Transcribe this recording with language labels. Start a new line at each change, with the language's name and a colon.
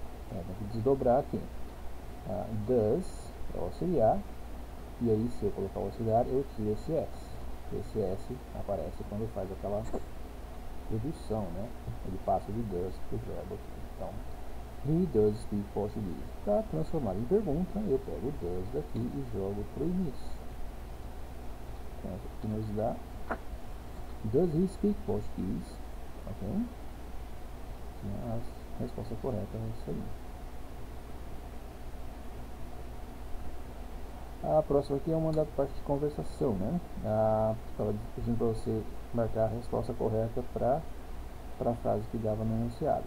Portuguese: Tem que desdobrar aqui. Does é o auxiliar, e aí se eu colocar o auxiliar, eu tiro esse s. Esse s aparece quando faz aquela redução, né? Ele passa de does para o verbo aqui. Então,
English: he does speak Portuguese.
Portuguese: Para transformar em pergunta, eu pego o does daqui e jogo para o início. Então, aqui nos dá.
English: Does he speak Portuguese? Ok?
Portuguese: A resposta correta é isso aí. A próxima aqui é uma da parte de conversação, né? Estava pedindo para você marcar a resposta correta para a frase que dava no enunciado.